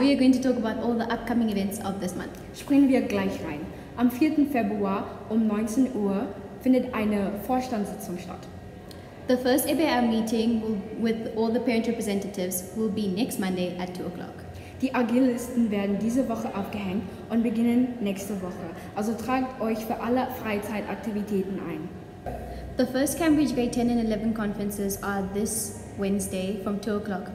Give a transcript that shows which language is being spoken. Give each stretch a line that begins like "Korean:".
English: We are going to talk about all the upcoming events of this month.
German: Springen wir gleich rein. Am 4. Februar um 19 Uhr findet eine Vorstandssitzung statt.
English: The first EBR meeting with all the parent representatives will be next Monday at 2 o'clock.
German: Die Agilisten werden diese Woche aufgehängt und beginnen nächste Woche. Also tragt euch für alle Freizeitaktivitäten ein.
English: The first Cambridge Grade 10 and 11 conferences are this Wednesday from 2 o'clock.